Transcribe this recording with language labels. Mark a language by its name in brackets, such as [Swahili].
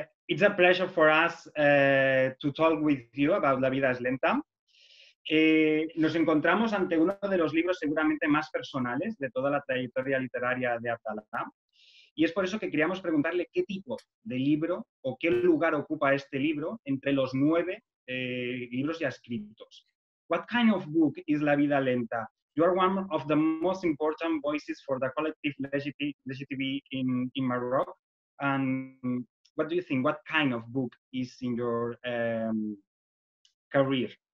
[English] It's a pleasure for us to talk with you about La vida es lenta. [Spanish] Nos encontramos ante uno de los libros seguramente más personales de toda la trayectoria literaria de Abdalá. Y es por eso que queríamos preguntarle qué tipo de libro o qué lugar ocupa este libro entre los 9 libros ya escritos. [English] What kind of book is La vida lenta? You are one of the most important voices for the collective LGTB in Morocco. And what do you think? What kind of book is in your career?